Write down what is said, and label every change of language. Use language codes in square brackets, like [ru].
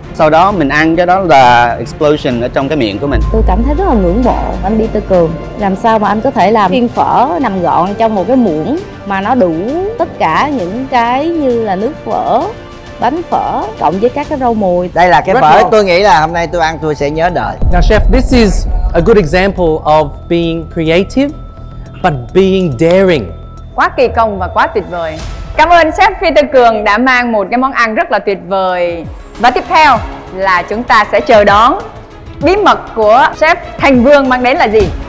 [vi] Sau đó mình ăn cái đó là explosion ở trong cái miệng của mình. Tôi cảm thấy rất là ngưỡng mộ anh Peter Cường. Làm sao mà anh có thể làm viên phở nằm gọn trong một cái muỗng mà nó đủ tất cả những cái như là nước phở, bánh phở cộng với các cái rau mùi. Đây là cái phở tôi nghĩ là hôm nay tôi ăn tôi sẽ nhớ đời. [en] Now chef, this is a good example of being creative but being daring. [vi] Quá kỳ công và quá tuyệt vời. Cảm ơn Chef Peter Cường đã mang một cái món ăn rất là tuyệt vời. Và tiếp theo là chúng ta sẽ chờ đón bí mật của Chef Thành Vương mang đến là gì?